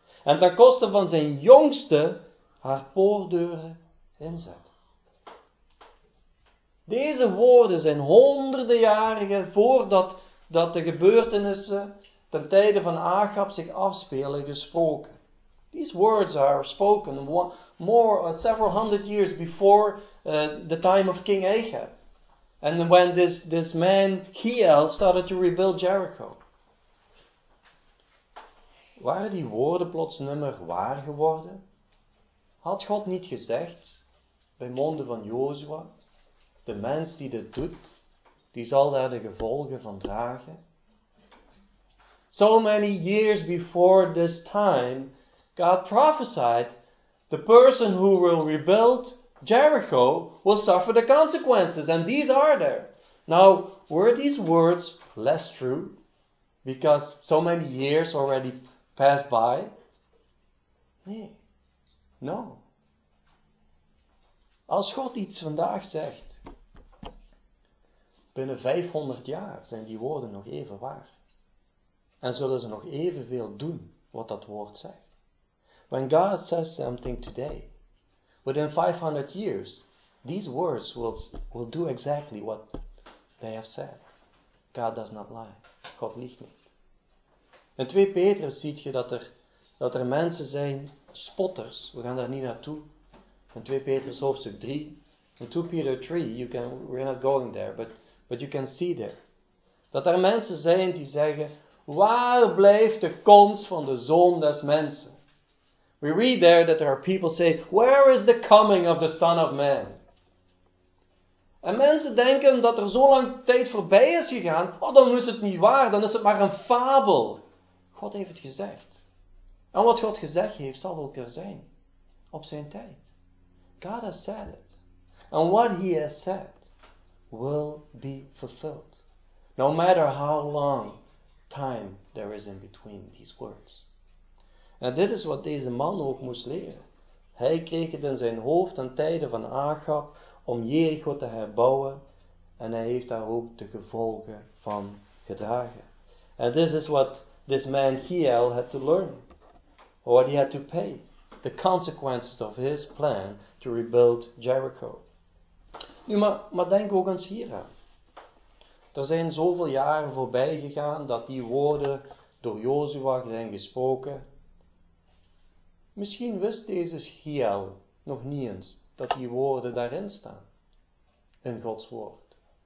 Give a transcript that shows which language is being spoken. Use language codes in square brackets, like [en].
[nl] En ten koste van zijn jongste haar poortdeuren inzetten. Deze woorden zijn honderden jaren voordat dat de gebeurtenissen ten tijde van Achab zich afspelen gesproken. [en] These words are spoken several hundred years before the time of King Ahab. And when this man, Giel, started to rebuild Jericho. [nl] Waren die woorden plots nimmer waar geworden? Had God niet gezegd, bij monden van Jozua, de mens die dit doet, die zal daar de gevolgen van dragen? [en] So many years before this time, God prophesied, the person who will rebuild Jericho will suffer the consequences, and these are there. Now, were these words less true because so many years already passed by? No. [nl] Als God iets vandaag zegt, binnen 500 jaar zijn die woorden nog even waar. En zullen ze nog evenveel doen wat dat woord zegt. [en] When God says something today, within 500 years, these words will do exactly what they have said. God does not lie. [nl] God liegt niet. In 2 Petrus zie je dat er mensen zijn, spotters. We gaan daar niet naartoe. In 2 Petrus hoofdstuk 3. [en] In 2 Peter 3, we're not going there, but you can see there. [nl] Dat er mensen zijn die zeggen, waar blijft de komst van de Zoon des Mensen? [en] We read there that there are people say, where is the coming of the Son of Man? [nl] En mensen denken dat er zo lang tijd voorbij is gegaan, oh, dan is het niet waar, dan is het maar een fabel. God heeft het gezegd. En wat God gezegd heeft, zal ook er zijn. Op zijn tijd. [en] God has said it. And what he has said will be fulfilled. No matter how long time there is in between these words. [nl] En dit is wat deze man ook moest leren. Hij kreeg het in zijn hoofd aan tijden van Achab om Jericho te herbouwen. En hij heeft daar ook de gevolgen van gedragen. [en] And this is what this man Hiel had to learn. Or what he had to pay. The consequences of his plan to rebuild Jericho. [nl] Nu, maar denk ook eens hier aan. Er zijn zoveel jaren voorbij gegaan dat die woorden door Jozua zijn gesproken. Misschien wist deze Hiel nog niet eens dat die woorden daarin staan. In Gods woord.